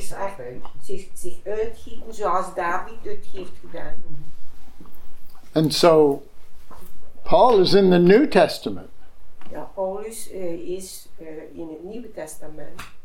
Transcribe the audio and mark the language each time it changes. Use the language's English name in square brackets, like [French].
[Dutch] Zich uitgieten zoals David het heeft gedaan. [English] And so, Paul is in the New Testament. [Dutch] Ja, Paulus is in het Nieuwe Testament.